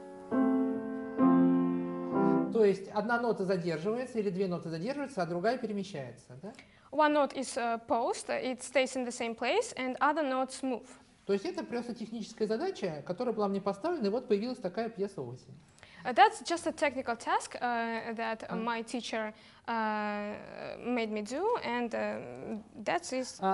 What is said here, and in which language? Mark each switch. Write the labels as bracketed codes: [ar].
[ru] То есть одна нота задерживается или две ноты задерживаются, а другая перемещается, да? [en] One note is paused, it stays in the same place, and other notes move. [ru] То есть это просто техническая задача, которая была мне поставлена, и вот появилась такая пьеса «Осень». [en] That's just a technical task that my teacher made me do, and that is...